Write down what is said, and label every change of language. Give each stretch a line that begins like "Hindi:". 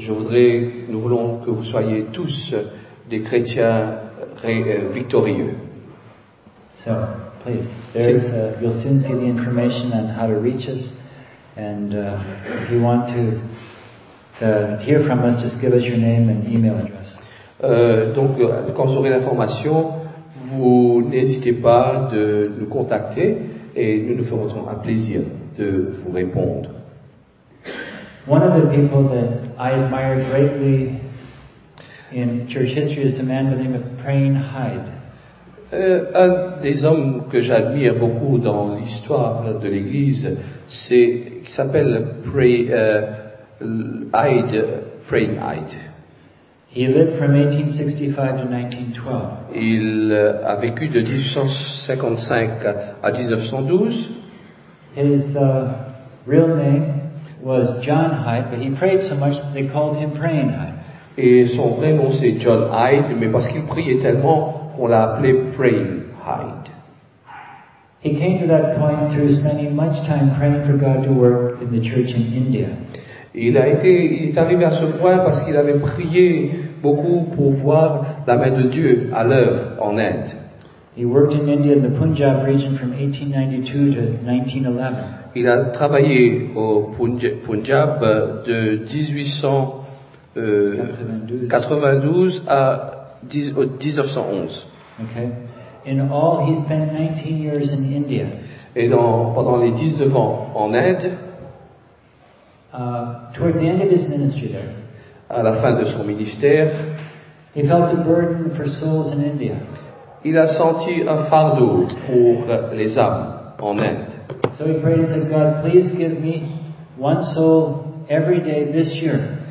French: Nous voulons que vous soyez tous des chrétiens victorieux.
English: So, please, you'll soon see the information on how to reach us. And if you want to hear from us, just give us your name and email address.
French: Donc, quand vous aurez l'information, vous n'hésitez pas de nous contacter et nous nous ferons un plaisir de vous répondre.
English: One of the people that I admire greatly in church history is a man by the name of Prain Hyde.
French: Un des hommes que j'admire beaucoup dans l'histoire de l'Église, c'est qui s'appelle Prain Hyde.
English: He lived from 1865 to 1912.
French: Il a vécu de 1855 à 1912.
English: His real name was John Hyde, but he prayed so much that they called him Praying Hyde.
French: Et son vrai nom c'est John Hyde, mais parce qu'il priait tellement qu'on l'a appelé Praying Hyde.
English: He came to that point through spending much time praying for God to work in the church in India.
French: Il est arrivé à ce point parce qu'il avait prié beaucoup pour voir la main de Dieu à l'œuvre en Inde.
English: He worked in India in the Punjab region from 1892 to 1911.
French: Il a travaillé au Punjab de 1892 à 1911.
English: Okay. In all, he spent 19 years in India.
French: Et pendant les 19 ans en Inde.
English: Towards the end of his ministry there.
French: À la fin de son ministère.
English: He felt a burden for souls in India.
French: Il a senti un fardeau pour les âmes en Inde.
English: So he prayed and said, God, please give me one soul every day this year.